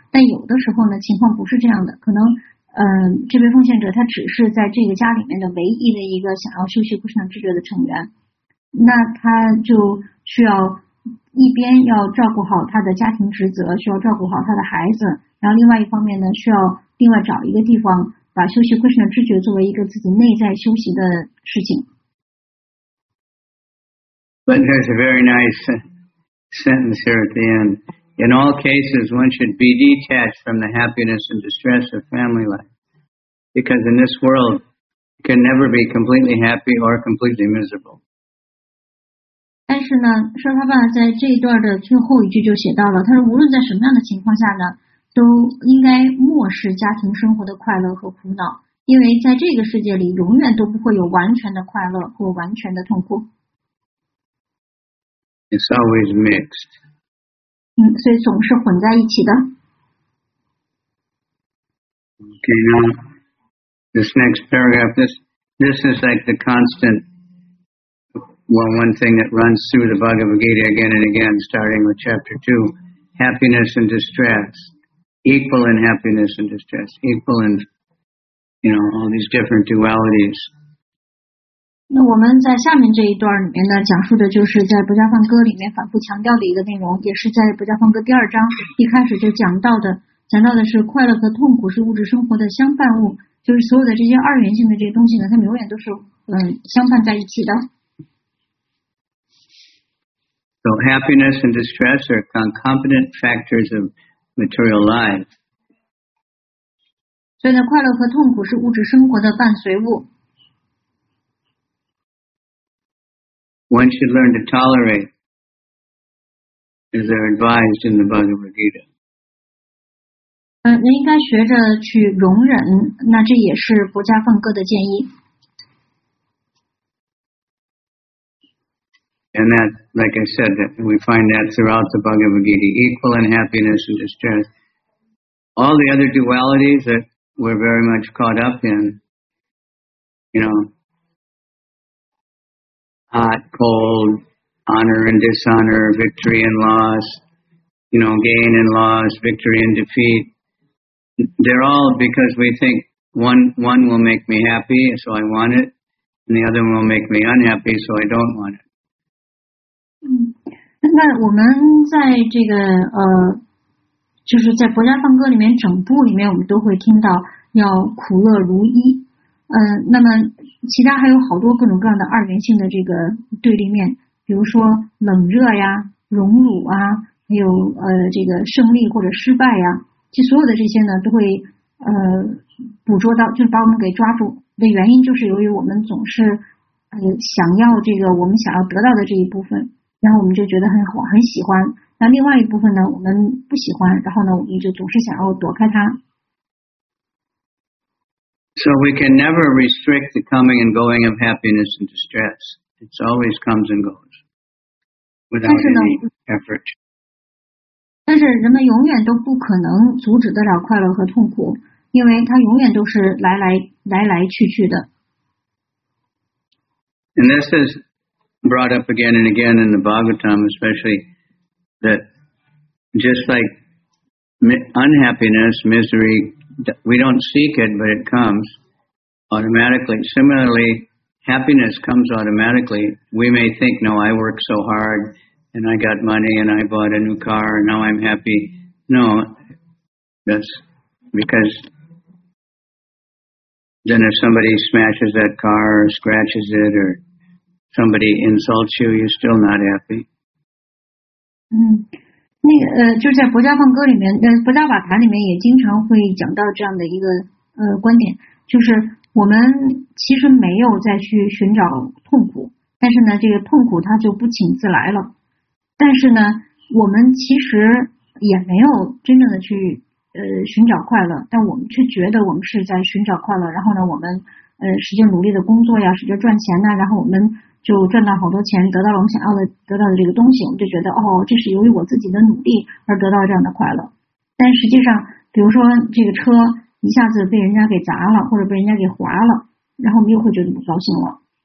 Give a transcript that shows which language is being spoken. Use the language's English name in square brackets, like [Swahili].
[Chinese] 但有的时候呢，情况不是这样的，可能，这位奉献者他只是在这个家里面的唯一的一个想要修习 Krishna 知觉的成员，那他就。需要一边要照顾好他的家庭职责，需要照顾好他的孩子，然后另外一方面呢，需要另外找一个地方把修习 Krishna 知觉作为一个自己内在修习的事情。 [English] But there's a very nice sentence here at the end. In all cases, one should be detached from the happiness and distress of family life, because in this world, you can never be completely happy or completely miserable. [Chinese] 但是呢，说他爸在这一段的最后一句就写到了，他说无论在什么样的情况下呢，都应该漠视家庭生活的快乐和苦恼，因为在这个世界里永远都不会有完全的快乐或完全的痛苦。 [English] It's always mixed. [Chinese] 所以总是混在一起的。 [English] Okay, now, this next paragraph, this is like the constant. Well, one thing that runs through the Bhagavad Gita again and again, starting with chapter 2, happiness and distress, equal in happiness and distress, equal in, you know, all these different dualities. [Chinese] 那我们在下面这一段里面呢，讲述的就是在不加放歌里面反复强调的一个内容，也是在不加放歌第二章一开始就讲到的是快乐和痛苦是物质生活的相伴物，就是所有的这些二元性的这些东西呢，它们永远都是相伴在一起的。 [English] So happiness and distress are concomitant factors of material life. [Chinese] 所以呢，快乐和痛苦是物质生活的伴随物。 [English] One should learn to tolerate, as they're advised in the Bhagavad Gita. [Chinese] 人应该学着去容忍，那这也是不加放歌的建议。 [English] And that, like I said, we find that throughout the Bhagavad Gita, equal in happiness and distress. All the other dualities that we're very much caught up in, you know, hot, cold, honor and dishonor, victory and loss, you know, gain and loss, victory and defeat. They're all because we think one will make me happy, so I want it, and the other one will make me unhappy, so I don't want it. [Chinese] 那我们在这个就是在佛家梵歌里面整部里面我们都会听到要苦乐如一那么其他还有好多各种各样的二元性的这个对立面比如说冷热呀荣辱啊还有这个胜利或者失败呀其实所有的这些呢都会捕捉到就是把我们给抓住的原因就是由于我们总是想要这个我们想要得到的这一部分然后我们就觉得很好很喜欢那另外一部分呢我们不喜欢然后呢我们就总是想要躲开它 [English] So we can never restrict the coming and going of happiness and distress. It always comes and goes without any effort. [Chinese] 但是人们永远都不可能阻止得了快乐和痛苦因为它永远都是来来去去的 [English] And this is brought up again and again in the Bhagavatam especially that just like unhappiness, misery, we don't seek it, but it comes automatically. Similarly, happiness comes automatically. We may think, no, I worked so hard, and I got money, and I bought a new car, and now I'm happy. No, that's because then if somebody smashes that car or scratches it or somebody insults you, you're still not happy. [Chinese] 那个就是在佛家梵歌里面佛家瓦塔里面也经常会讲到这样的一个观点就是我们其实没有再去寻找痛苦但是呢这个痛苦它就不请自来了但是呢我们其实也没有真正的去寻找快乐但我们却觉得我们是在寻找快乐然后呢我们使劲努力的工作呀使劲赚钱呢然后我们就赚到好多钱得到了我们想要的得到的这个东西我们就觉得哦这是由于我自己的努力而得到这样的快乐但实际上比如说这个车一下子被人家给砸了或者被人家给划了然后我们又会觉得不高兴了